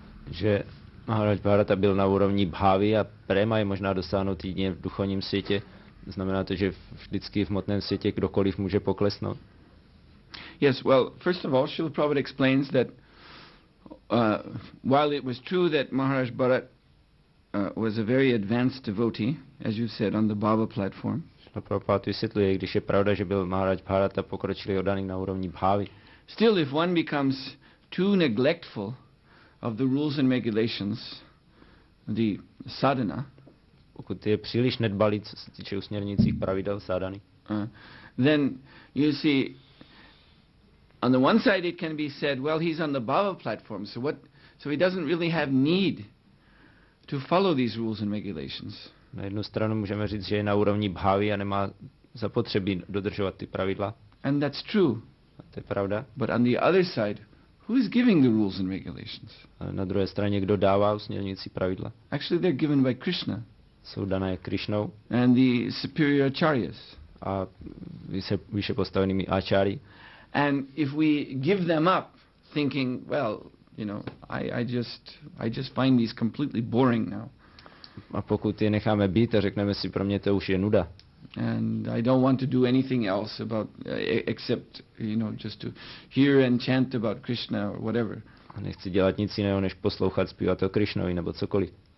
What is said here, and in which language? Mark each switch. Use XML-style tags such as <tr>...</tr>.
<cs>Že Maharaj Bharata byl na úrovni bhávy a prema je možná dosáhnout jedině v duchovním světě. Znamená to, že vždycky v hmotném světě kdokoliv může poklesnout?</cs> <en>Yes, well, first of all, Srila Prabhupada explains that while it was true that Maharaj Bharata was a very advanced devotee, as you said, on the Bhava platform.</en> <cs>Srila Prabhupada vysvětluje, když je pravda, že byl Maharaj Bharata pokročilý oddaný na úrovni bhávy.</cs> <en>Still, if one becomes too neglectful of the rules and regulations, the sadhana.</en> <cs>Pokud je příliš nedbalý, co se týče usměrnicích pravidel sadhany.</cs> <en>Then you see, on the one side it can be said, well, he's on the bhava platform, so he doesn't really have need to follow these rules and regulations.</en> <cs>Na jednu stranu můžeme říct, že je na úrovni bhavy a nemá zapotřebí dodržovat ty pravidla.</cs> <en>And that's true.</en> <cs>A to je pravda.</cs> <en>But on the other side, who is giving the rules and regulations?</en> <cs>Na druhé straně, kdo dává usměrnicí pravidla?</cs> <en>Actually, they're given by Krishna.</en> <cs>Jsou dané Krishnou.</cs> <en>And the superior acharyas.</en> <cs>A vyše postavenými achary.</cs> <en>And if we give them up, thinking, well, you know, I just find these completely boring now.</en> <cs>A pokud je necháme být a řekneme si, pro mě to už je nuda.</cs> <en>And I don't want to do anything else about except, you know, just to hear and chant about Krishna or whatever.</en> <cs>A nechci dělat nic jiného, než poslouchat, zpívat o Krišnovi nebo cokoliv.</cs>